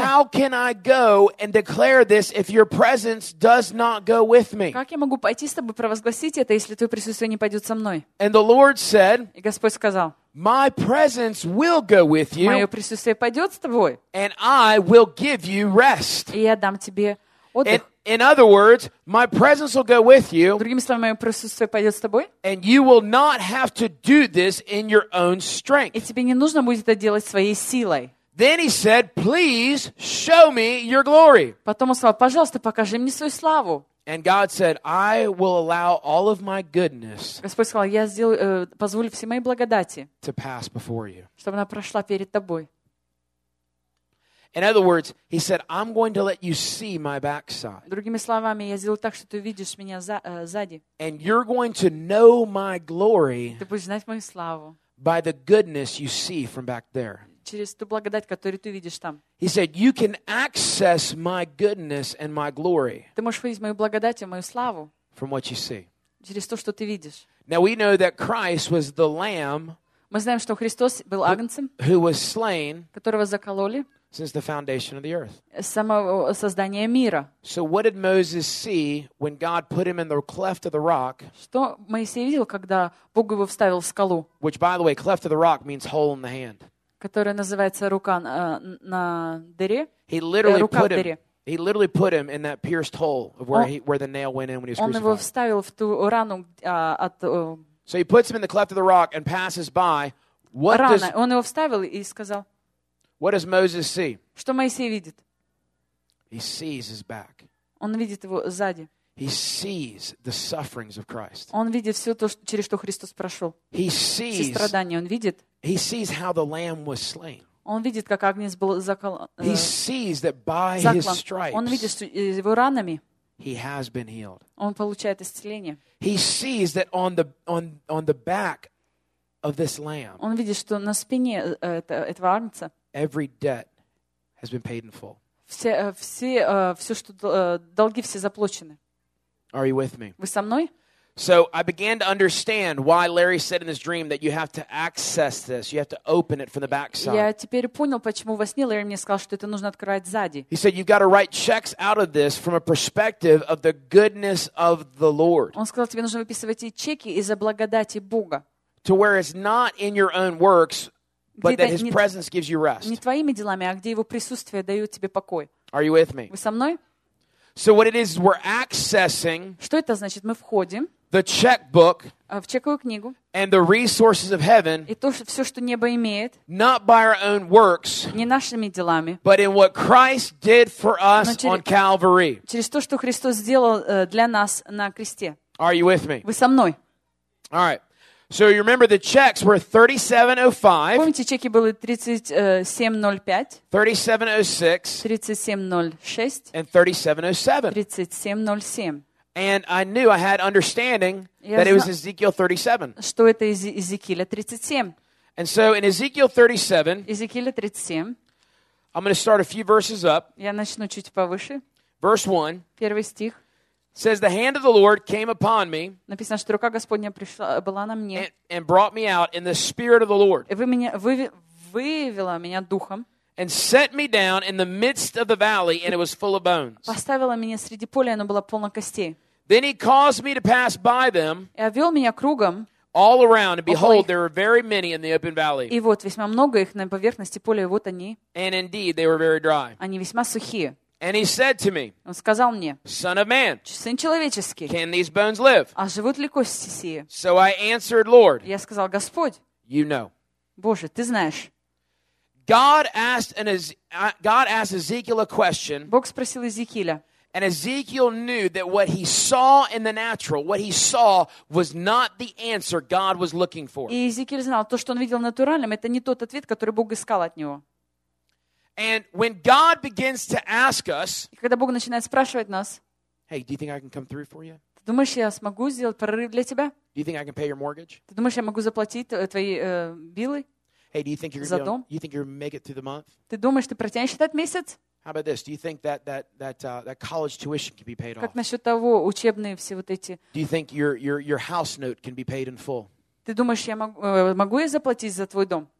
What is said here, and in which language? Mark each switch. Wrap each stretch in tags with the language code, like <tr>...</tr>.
<en>How can I go and declare this if your presence does not go with me?</en> <ru>Как я могу пойти с тобой провозгласить это, если твое присутствие не пойдет со мной?</ru> <en>And the Lord said.</en> <ru>И Господь сказал.</ru> <en>My presence will go with you.</en> <ru>Мое присутствие пойдет с тобой.</ru> <en>And I will give you rest.</en> <ru>И я дам тебе отдых.</ru> <en>In other words, my presence will go with you.</en> <ru>Другими словами, мое присутствие пойдет с тобой.</ru> <en>And you will not have to do this in your own strength.</en> <ru>И тебе не нужно будет это делать своей силой.</ru> <en>Then he said, "Please show me your glory."</en> <ru>Потом он сказал, пожалуйста, покажи мне свою славу.</ru> <en>And God said, "I will allow all of my goodness."</en> <ru>Господь сказал, я сделаю, позволю все мои благодати.</ru> <en>To pass before you.</en> <ru>Чтобы она прошла перед тобой.</ru> <en>In other words, he said, "I'm going to let you see my backside."</en> <ru>Другими словами, я сделаю так, что ты увидишь меня сзади.</ru> <en>And you're going to know my glory.</en> <ru>Ты будешь знать мою славу.</ru> <en>By the goodness you see from back there.</en> <ru>Через ту благодать, которую ты видишь там.</ru> <en>He said, "You can access my goodness and my glory."</en> <ru>Ты можешь увидеть мою благодать и мою славу.</ru> <en>From what you see.</en> <ru>Через то, что ты видишь.</ru> <en>Now we know that Christ was the Lamb.</en> <ru>Мы знаем, что Христос был агнцем,</ru> <en>who was slain</en> <ru>которого закололи</ru> <en>since the foundation of the earth.</en> <ru>С самого создания мира.</ru> <en>So what did Moses see when God put him in the cleft of the rock?</en> <ru>Что Моисей видел, когда Бог его вставил в скалу?</ru> <en>Which, by the way, cleft of the rock means hole in the hand.</en> <ru>Которая называется рука на дыре.</ru> <en>He literally put him. He literally put him in that pierced hole of where the nail went in when he was crucified.</en> <ru>Он его вставил в ту рану от.</ru> <en>So he puts him in the cleft of the rock and passes by. What</en> <ru>рана.</ru> <en>Does?</en> <ru>Он его вставил и сказал.</ru> <en>What does Moses see?</en> <ru>Что Моисей видит?</ru> <en>He sees his back.</en> <ru>Он видит его сзади.</ru> <en>He sees the sufferings of Christ.</en> <ru>Он видит все то, через что Христос прошел.</ru> <en>He sees.</en> <ru>Все страдания он видит.</ru> <en>He sees how the Lamb was slain.</en> <ru>Он видит, как агнец был заколот.</ru> <en>He sees that by his stripes.</en> <ru>Он видит, что его ранами.</ru> <en>He has been healed.</en> <ru>Он получает исцеление.</ru> <en>He sees that on the back of this lamb.</en> <ru>Он видит, что на спине этого агнца.</ru> <en>Every debt has been paid in full.</en> <ru>Все что долги все заплачены.</ru> <en>Are you with me?</en> <ru>Вы со мной?</ru> <en>So I began to understand why Larry said in his dream that you have to access this, you have to open it from the backside.</en> <ru>Я теперь понял, почему во сне Ларри мне сказал, что это нужно открывать сзади.</ru> <en>He said you've got to write checks out of this from a perspective of the goodness of the Lord.</en> <ru>Он сказал, тебе нужно выписывать эти чеки из-за благодати Бога.</ru> <en>To where it's not in your own works, but that His presence gives you rest.</en> <ru>Не твоими делами, а где Его присутствие дает тебе покой.</ru> <en>Are you with me?</en> <ru>Вы со мной?</ru> <en>So what it is, we're accessing.</en> <ru>Что это значит? Мы входим.</ru> <en>The checkbook.</en> <ru>В чековую книгу.</ru> <en>And the resources of heaven.</en> <ru>И то, что, все, что небо имеет.</ru> <en>Not by our own works.</en> <ru>Не нашими делами.</ru> <en>But in what Christ did for us on Calvary.</en> <ru>Через то, что Христос сделал для нас на кресте.</ru> <en>Are you with me?</en> <ru>Вы со мной?</ru> <en>All right. So you remember the checks were 3705.</en> <ru>Помните, чеки были 3705.</ru> <en>3706.</en> <ru>3706.</ru> <en>And 3707.</en> <ru>3707.</ru> <en>And I knew I had understanding that it was Ezekiel 37.</en> <ru>Что это из Иезекииля 37.</ru> <en>And so in Ezekiel 37.</en> <ru>Иезекииля 37.</ru> <en>I'm going to start a few verses up.</en> <ru>Я начну чуть повыше.</ru> <en>Verse 1.</en> <ru>Первый стих.</ru> <en>Says the hand of the Lord came upon me.</en> <ru>Написано, что рука Господня пришла была на мне.</ru> <en>And brought me out in the spirit of the Lord.</en> <ru>Вывела меня духом.</ru> <en>And set me down in the midst of the valley, and it was full of bones.</en> <ru>Поставила меня среди поля, оно было полно костей.</ru> <en>Then he caused me to pass by them.</en> <ru>И обвел меня кругом.</ru> <en>All around, and behold, there were very many in the open valley.</en> <ru>И вот весьма много их на поверхности поля, и вот они.</ru> <en>And indeed, they were very dry.</en> <ru>Они весьма сухие.</ru> <en>And he said to me,</en> <ru>Он сказал мне,</ru> <en>Son of man,</en> <ru>Сын человеческий,</ru> <en>can these bones live?</en> <ru>А живут ли кости сие?</ru> <en>So I answered, Lord,</en> <ru>Я сказал, Господь,</ru> <en>you know.</en> <ru>Боже, ты знаешь.</ru> <en>God asked Ezekiel a question.</en> <ru>Бог спросил Иезекииля.</ru> <en>And Ezekiel knew that what he saw in the natural, what he saw was not the answer God was looking for.</en> <ru>И Иезекииль знал, то, что он видел натуральным, это не тот ответ, который Бог искал от него.</ru> <en>And when God begins to ask us,</en> <ru>когда Бог начинает спрашивать нас,</ru> <en>Hey, do you think I can come through for you?</en> <ru>Ты думаешь, я смогу сделать прорыв для тебя?</ru> <en>Do you think I can pay your mortgage?</en> <ru>Ты думаешь, я могу заплатить твои биллы?</ru> <en>Hey, do you think you're going to You think you're make it through the month?</en> <ru>Ты думаешь, ты протянешь этот месяц?</ru> <en>How about this? Do you think that college tuition can be paid off?</en> <ru>Как насчет того, учебные все вот эти?</ru> <en>Do you think your house note can be paid in full?</en> <ru>Ты думаешь, я могу я заплатить за твой дом?</ru>